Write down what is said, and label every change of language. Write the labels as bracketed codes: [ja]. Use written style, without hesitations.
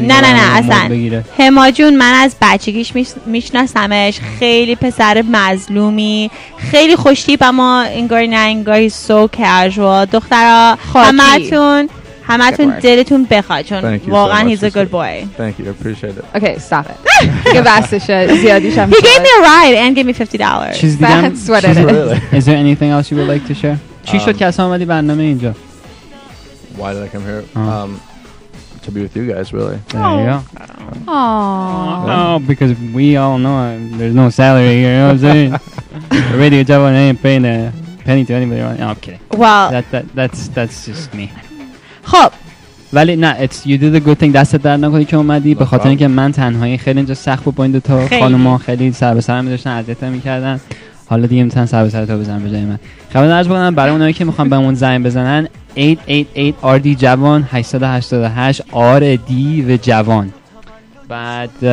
[fa] نه نه نه اصلا هما جون من از بچگیش میشناسمش خیلی پسر مظلومی خیلی خوشتیپ اما انگاری نه انگاری سو کژوال دخترا همتون دلتون بخواه چون واقعا [en] he's a good boy thank you I appreciate it okay stop it give us a shit [fa] زیادیشم [en] he gave me a ride and gave me $50 that's what it is is there anything else you would like to share [fa] چی شد که اصلا آمدی برنامه اینجا [en] Why did I come here? To be with you guys, really. There you go. Aww. Oh, because we all know there's no salary here. You know what I'm saying? The radio job ain't paying a penny to anybody. No, I'm kidding. Well, that's just me. [fa] خب. ولی نه [en] it's you did a good thing [fa] دستت درد نکنی که اومدی به خاطر اینکه من تنهایی خیلی اینجا سخت بود با این دوتا خانوما خیلی سر به سر میذاشتن اذیت میکردن حالا دیگه میتونن سر به سر تو بزنن به جای من خبر نرج بکنم برای اونایی که میخوان بهمون زنگ بزنن 888 RD جوان 888 RD و جوان بعد